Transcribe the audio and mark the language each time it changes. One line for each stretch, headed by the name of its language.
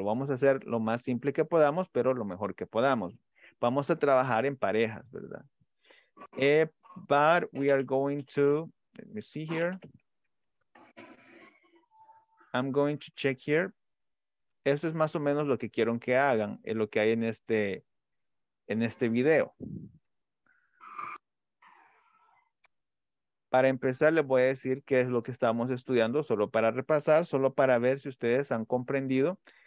Spanish: Vamos a hacer lo más simple que podamos, pero lo mejor que podamos. Vamos a trabajar en parejas, ¿verdad?
English: But we are going to, let me see here. I'm going to check here.
Spanish: Eso es más o menos lo que quiero que hagan, es lo que hay en este video. Para empezar, les voy a decir qué es lo que estamos estudiando, solo para repasar, solo para ver si ustedes han comprendido.